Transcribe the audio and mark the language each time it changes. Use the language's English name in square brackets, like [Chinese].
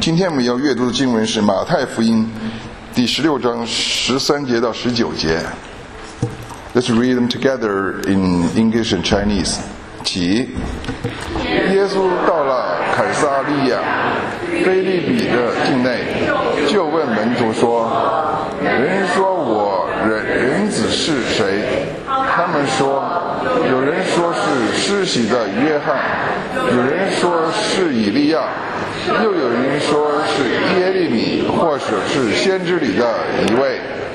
[Chinese] 今天我们要阅读的经文是马太福音第16章13节到19节。 [English] Let's read them together in English and Chinese. [Chinese] 起。耶稣到了凯撒利亚菲利比的境内，就问门徒说，人说我人子是谁？他们说，有人说是施洗的约翰，有人说是以利亚，又有人说是耶利米或者是先知里的一位。